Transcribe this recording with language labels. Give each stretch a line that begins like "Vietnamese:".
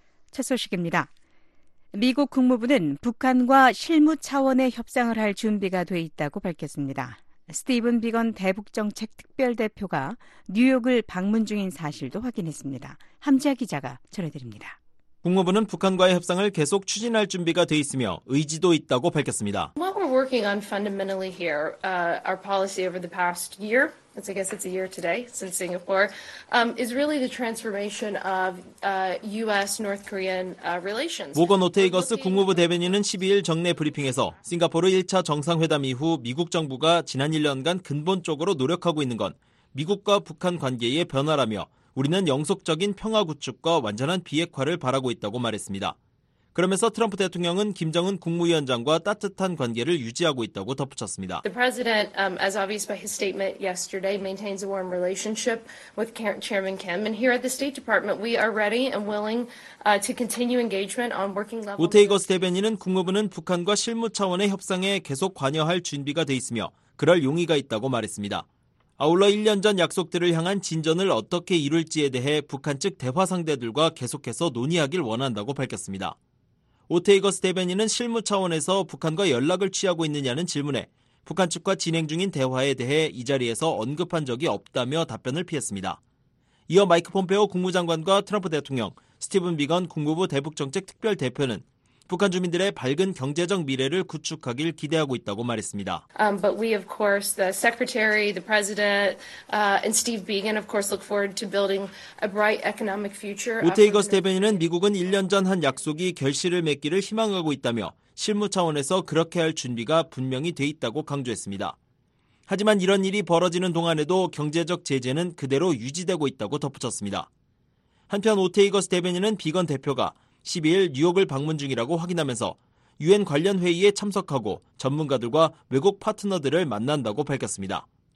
Korean: 첫 소식입니다. 미국 국무부는 북한과 실무 차원의 협상을 할 준비가 돼 있다고 밝혔습니다. 스티븐 비건 대북정책특별대표가 뉴욕을 방문 중인 사실도 확인했습니다. 함지아 기자가 전해드립니다. 국무부는 북한과의 협상을 계속 추진할 준비가 돼 있으며 의지도 있다고 밝혔습니다.
English: What we're working on fundamentally here, our policy over the past year, I guess it's a year today since Singapore, is really the transformation of U.S.-North Korean relations.
Korean: 보건 오테이거스 국무부 대변인은 12일 정례 브리핑에서 싱가포르 1차 정상회담 이후 미국 정부가 지난 1년간 근본적으로 노력하고 있는 건 미국과 북한 관계의 변화라며 우리는 영속적인 평화 구축과 완전한 비핵화를 바라고 있다고 말했습니다. 그러면서 트럼프 대통령은 김정은 국무위원장과 따뜻한 관계를 유지하고 있다고 덧붙였습니다.
English: The president, as obvious by his statement yesterday, maintains a warm relationship with Chairman Kim. And here at the State Department, we are ready and willing to continue engagement on working level.
Korean: 오테이거스 대변인은 국무부는 북한과 실무 차원의 협상에 계속 관여할 준비가 돼 있으며 그럴 용의가 있다고 말했습니다. 아울러 1년 전 약속들을 향한 진전을 어떻게 이룰지에 대해 북한 측 대화 상대들과 계속해서 논의하길 원한다고 밝혔습니다. 오테이거스 대변인은 실무 차원에서 북한과 연락을 취하고 있느냐는 질문에 북한 측과 진행 중인 대화에 대해 이 자리에서 언급한 적이 없다며 답변을 피했습니다. 이어 마이크 폼페오 국무장관과 트럼프 대통령, 스티븐 비건 국무부 대북정책특별대표는 북한 주민들의 밝은 경제적 미래를 구축하길 기대하고 있다고 말했습니다.
English: But we of course the secretary, the president, and Steve Biegun of course look forward to building a bright economic future.
Korean: 오테이거스 대변인은 미국은 1년 전 한 약속이 결실을 맺기를 희망하고 있다며 실무 차원에서 그렇게 할 준비가 분명히 돼 있다고 강조했습니다. 하지만 이런 일이 벌어지는 동안에도 경제적 제재는 그대로 유지되고 있다고 덧붙였습니다. 한편 오테이거스 대변인은 비건 대표가 12일 뉴욕을 방문 중이라고 확인하면서 유엔 관련 회의에 참석하고 전문가들과 외국 파트너들을 만난다고 밝혔습니다.